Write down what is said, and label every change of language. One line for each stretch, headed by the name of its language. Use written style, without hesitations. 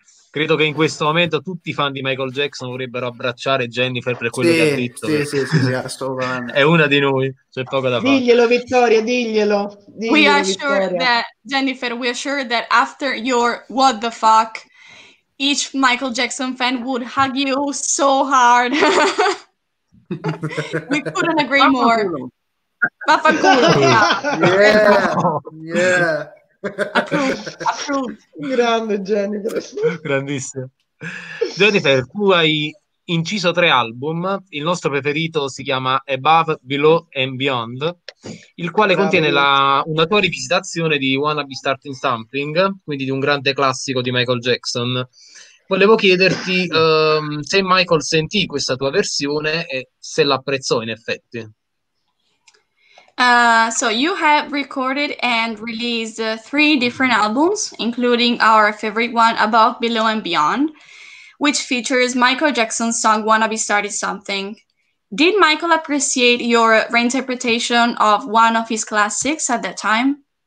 Italian: Credo che in questo momento tutti i fan di Michael Jackson vorrebbero abbracciare Jennifer per quello che ha detto. Sì, sì, assolutamente. È una di noi, c'è poco da fare. Diglielo, Vittoria, diglielo.
English: We are sure that, Jennifer, we are sure that after your what the fuck, each Michael Jackson fan would hug you so hard. We couldn't agree more.
Italian: Vaffanculo.
English: Yeah. Yeah. Approved.
Italian: Grande Jennifer, grandissimo. Jennifer, tu hai inciso 3 album. Il nostro preferito si chiama Above, Below and Beyond, il quale contiene una tua rivisitazione di Wanna Be Starting Something, quindi di un grande classico di Michael Jackson. Volevo chiederti se Michael sentì questa tua versione e se l'apprezzò in effetti.
English: So you have recorded and released 3 different albums, including our favorite one, Above, Below and Beyond, which features Michael Jackson's song Wanna Be Started Something. Did Michael appreciate your reinterpretation of one of his classics at that time?